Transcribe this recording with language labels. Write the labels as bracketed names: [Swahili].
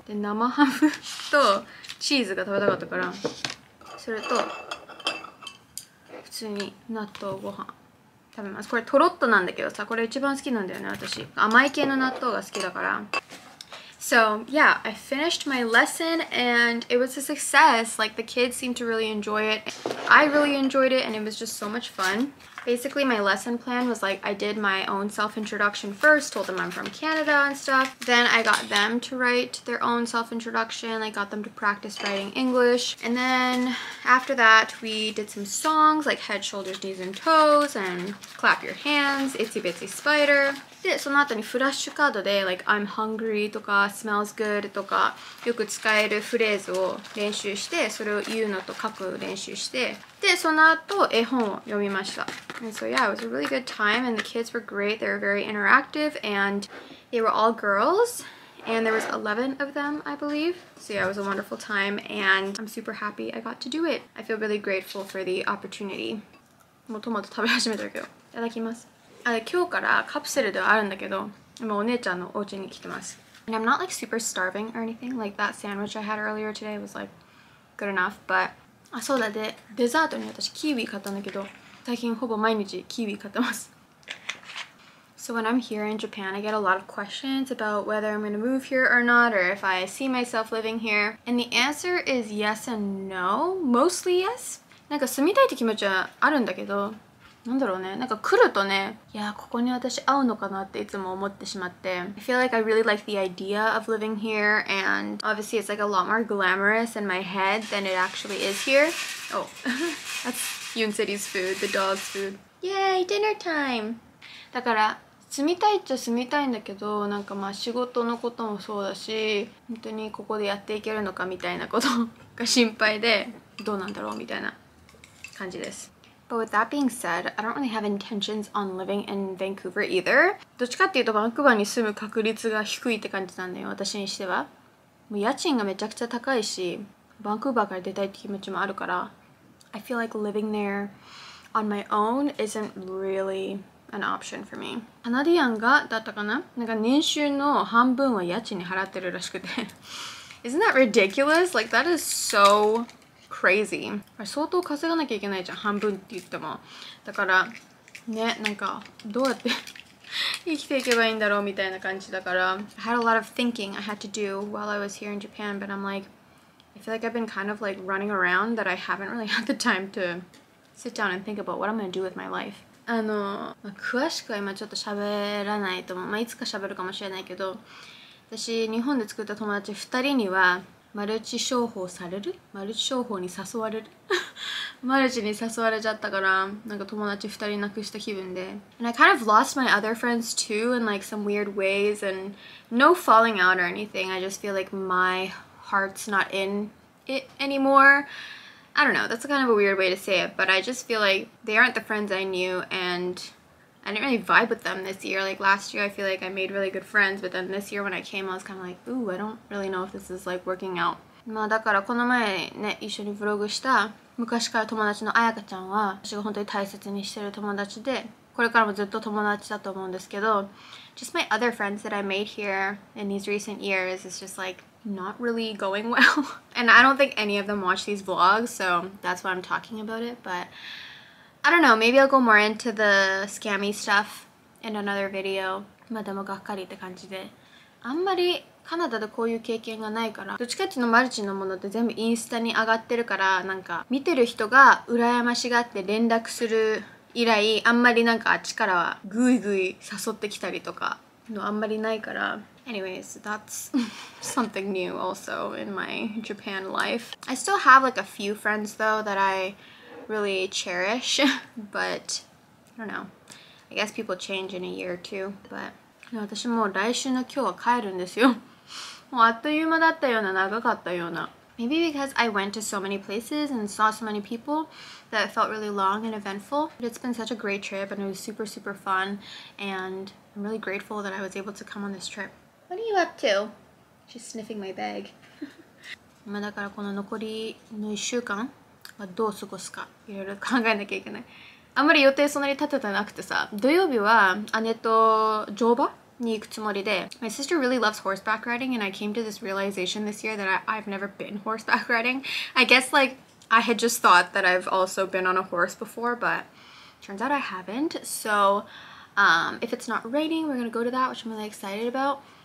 [Japanese] で生ハムとチーズが食べたかったから、それと普通に納豆ご飯食べます。これトロッとなんだけどさ、これ一番好きなんだよね私。甘い系の納豆が好きだから。 [English] So yeah, I finished my lesson and it was a success. Like the kids seemed to really enjoy it. I really enjoyed it and it was just so much fun. Basically my lesson plan was like I did my own self-introduction first, told them I'm from Canada and stuff. Then I got them to write their own self-introduction. I got them to practice writing English. And then after that, we did some songs like Head, Shoulders, Knees and Toes and Clap Your Hands, Itsy Bitsy Spider. [Japanese] で、その後にフラッシュカードで、like, [English] I'm hungry [Japanese] とか、 [English] smells good [Japanese] とか、よく使えるフレーズを練習して、それを言うのと書く練習して、で、その後、絵本を読みました。 [English] And so yeah, it was a really good time and the kids were great. They were very interactive and they were all girls. And there was 11 of them, I believe. So yeah, it was a wonderful time and I'm super happy I got to do it. I feel really grateful for the opportunity. [Japanese] もうトマト食べ始めてるけど。いただきます。あれ今日からカプセルではあるんだけど、今お姉ちゃんのお家に来てます。 [English] And I'm not like super starving or anything. Like that sandwich I had earlier today was like good enough, but... [Japanese] あ、そうだ。で、デザートに私キウイ買ったんだけど、最近ほぼ毎日キウイ買ってます。 [English] So when I'm here in Japan, I get a lot of questions about whether I'm going to move here or not, or if I see myself living here. And the answer is yes and no. Mostly yes. [Japanese] なんか住みたいって気持ちはあるんだけど、なんだろうね、なんか来るとね、いやここに私会うのかなっていつも思ってしまって。 [English] I feel like I really like the idea of living here, and obviously it's like a lot more glamorous in my head than it actually is here. Oh, that's Yoon City's food, the dog's food. Yay, dinner time! [Japanese] だから住みたいっちゃ住みたいんだけど、なんかまあ仕事のこともそうだし、本当にここでやっていけるのかみたいなことが心配で、どうなんだろうみたいな感じです。 [English] But with that being said, I don't really have intentions on living in Vancouver either. [Japanese] どっちかっていうとバンクーバーに住む確率が低いって感じなんだよ、私にしては。もう家賃がめちゃくちゃ高いし、バンクーバーから出たいって気持ちもあるから。 [English] I feel like living there on my own isn't really... an option for me. [Japanese] カナディアンがだったかな？なんか年収の半分は家賃に払ってるらしくて。 [English] Isn't that ridiculous? Like, that is so crazy. [Japanese] 相当稼がなきゃいけないじゃん、半分って言っても。だから、ね、なんかどうやって生きていけばいいんだろうみたいな感じだから。 [English] I had a lot of thinking I had to do while I was here in Japan, but I'm like, I feel like I've been kind of like running around that I haven't really had the time to sit down and think about what I'm gonna do with my life. [Japanese] 詳しくは今ちょっと喋らないと思う、まあ、いつか喋るかもしれないけど、私日本で作った友達2人にはマルチ商法される、マルチ商法に誘われるマルチに誘われちゃったから、なんか友達2人なくした気分で。 [English] And I kind of lost my other friends too in like some weird ways, and no falling out or anything, I just feel like my heart's not in it anymoreI don't know, that's kind of a weird way to say it, but I just feel like they aren't the friends I knew, and I didn't really vibe with them this year. Like last year, I feel like I made really good friends, but then this year when I came, I was kind of like, ooh, I don't really know if this is like working out. [Japanese] まあだからこの前ね、一緒にブログした昔から友達のあやかちゃんは、私が本当に大切にしてる友達で、これからもずっと友達だと思うんですけど、 [English] just my other friends that I made here in these recent years is just like,not really going well. And I don't think any of them watch these vlogs, so that's why I'm talking about it. But I don't know, maybe I'll go more into the scammy stuff in another video. [Japanese] まあでもがっかりって感じで。あんまりカナダでこういう経験がないから、どっちかっていうとマルチのものって全部インスタに上がってるから、なんか見てる人が羨ましがって連絡する以来、あんまりなんかあっちからはぐいぐい誘ってきたりとかのあんまりないから、 [English] Anyways, that's something new also in my Japan life. I still have like a few friends though that I really cherish, but I don't know. I guess people change in a year or two, but... [Japanese] 私もう来週の今日は帰るんですよ。もうあっという間だったような、長かったような。 [English] Maybe because I went to so many places and saw so many people that it felt really long and eventful. But it's been such a great trip and it was super, super fun. And I'm really grateful that I was able to come on this trip. What are you up to? She's sniffing my bag. [Japanese] まあだからこの残りの1週間はどう過ごすかいろいろ考えなきゃいけない。あんまり予定そんなに立ててなくてさ、土曜日は姉と乗馬に行くつもりで。 [English] My sister really loves horseback riding, and I came to this realization this year that I've never been horseback riding. I guess like I had just thought that I've also been on a horse before, but turns out I haven't. So, if it's not raining, we're gonna go to that, which I'm really excited about.